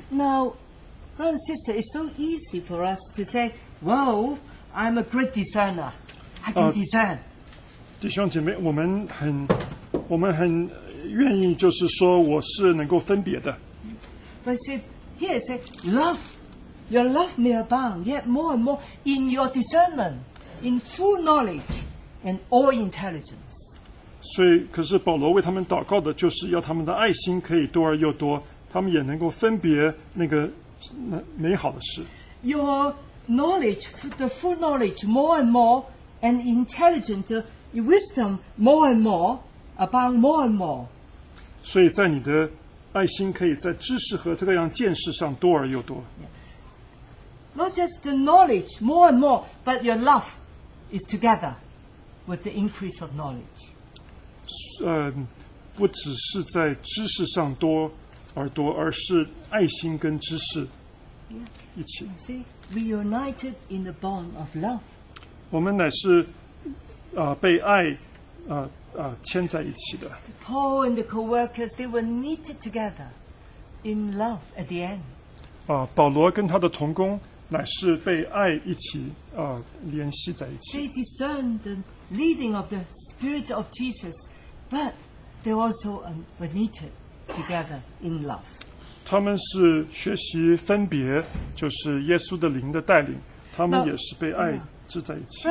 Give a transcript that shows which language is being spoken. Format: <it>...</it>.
<en>Now, brother and sister, it's so easy for us to say, Wow, I'm a great designer. I can design.</en> <zh>弟兄姐妹，我们很愿意就是说我是能够分别的。</zh> <en>But see, here it says, Love, your love may abound yet more and more in your discernmentIn full knowledge and all intelligence.</en> <zh>所以，可是保罗为他们祷告的，就是要他们的爱心可以多而又多，他们也能够分别那个美好的事。</zh> <en>Your knowledge, the full knowledge, more and more, and intelligent wisdom, more and more, abound more and more.</en> <zh>所以在你的爱心可以在知识和这个样见识上多而又多。</zh> <en>Not just the knowledge, more and more, but your love is together with the increase of knowledge.</en> <zh>不只是在知识上多而多，而是爱心跟知识一起。</zh> <en>Yeah. See, we united in the bond of love.</en> <zh>我们乃是被爱牵在一起的。</zh> <en>Paul and the co-workers, they were knitted together in love at the end.</en> <zh>保罗跟他的同工乃是被爱一起联系在一起。</zh> <en>They discerned the leading of the Spirit of Jesus, but they also were knitted together in love.</en> <zh>他们是学习分别，就是耶稣的灵的带领，他们也是被爱置在一起。</zh>